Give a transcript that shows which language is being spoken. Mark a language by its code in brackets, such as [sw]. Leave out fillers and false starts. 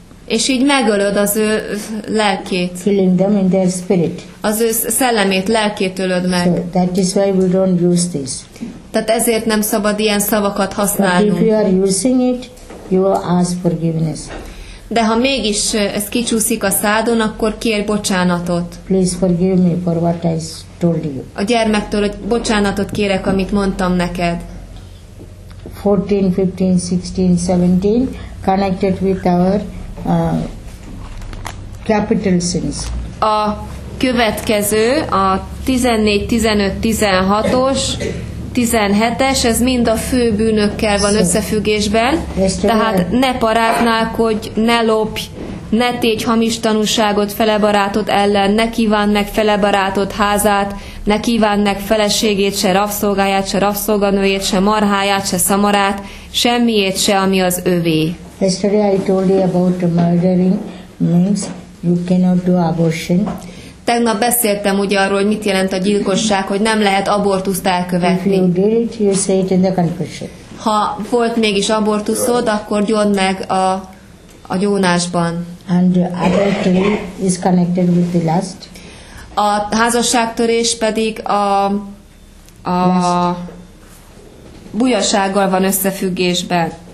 [hu] És így megölöd az ő lelkét. [en] Killing them in their spirit. [hu] Az ő szellemét, lelkét ölöd meg. [en] So that is why we don't use this. [hu] Tehát ezért nem szabad ilyen szavakat használnunk. [en] But if you are using it, you ask forgiveness. [hu] De ha mégis ez kicsúszik a szádon, akkor kérj bocsánatot. [en] Please forgive me for what I told you. [hu] A gyermektől, hogy bocsánatot kérek, amit mondtam neked. [en] 14, 15, 16, 17, connected with our capital sins. [hu] A következő, a 14, 15, 16-os 17-es, ez mind a fő bűnökkel van összefüggésben. Tehát ne paráználkodj, ne lopj, ne tégy hamis tanúságot fele barátod ellen, ne kívánd meg fele barátod házát, ne kívánd meg feleségét, se rabszolgáját, se rabszolganőjét, se marháját, se szamarát, semmiét se, ami az övé. [en] Yesterday I told you about murdering means you cannot do abortion. [hu] Tegnap beszéltem ugye arról, hogy mit jelent a gyilkosság, hogy nem lehet abortuszt elkövetni. [en] If you did it, you say it in the confession. [hu] Ha volt mégis abortuszod, akkor gyóld meg a gyónásban. [en] And adultery is connected with the lust. [hu] A házasságtörés pedig a bujasággal van összefüggésben.